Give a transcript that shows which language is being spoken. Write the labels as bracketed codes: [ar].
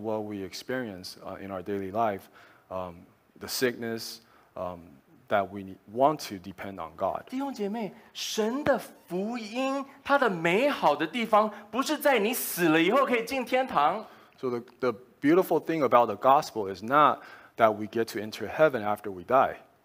[en] what we experience in our daily life, the sickness that we want to depend on God. [zh] 弟兄姐妹，神的福音，它的美好的地方，不是在你死了以后可以进天堂。 [en] So the beautiful thing about the gospel is not that we get to enter heaven after we die.